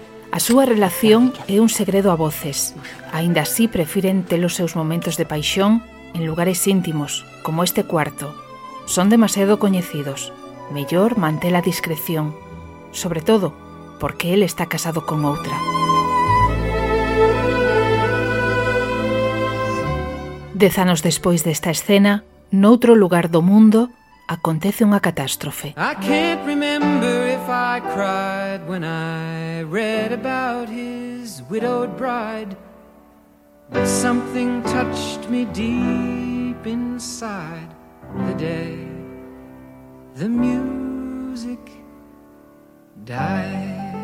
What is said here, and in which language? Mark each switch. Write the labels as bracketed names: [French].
[Galician] A súa relación é un segredo a voces. Aínda así, prefiren ter os seus momentos de paixón en lugares íntimos, como este cuarto. Son demasiado coñecidos. Mellor mantén a discreción. Sobre todo, porque él está casado con outra. Dez anos despois desta escena, noutro lugar do mundo, acontece unha catástrofe. [English] I can't remember if I cried when I read about his widowed bride, but something touched me deep inside the day the music died.